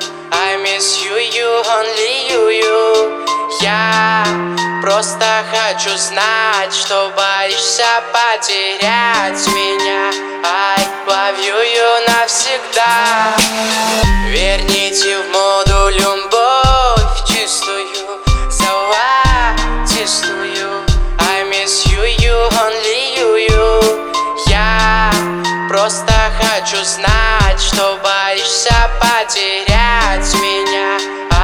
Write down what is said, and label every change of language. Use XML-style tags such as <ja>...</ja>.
<en>I miss you, you, only you, you.</en> <ru>Я просто хочу знать, что боишься потерять меня.</ru> <en>I love you, you навсегда.</en> <ru>Верните в моду любовь чистую, золотистую.</ru> <en>I miss you, you, only you, you.</en> <ru>Я просто хочу знать, что боишься потерять меня.</ru>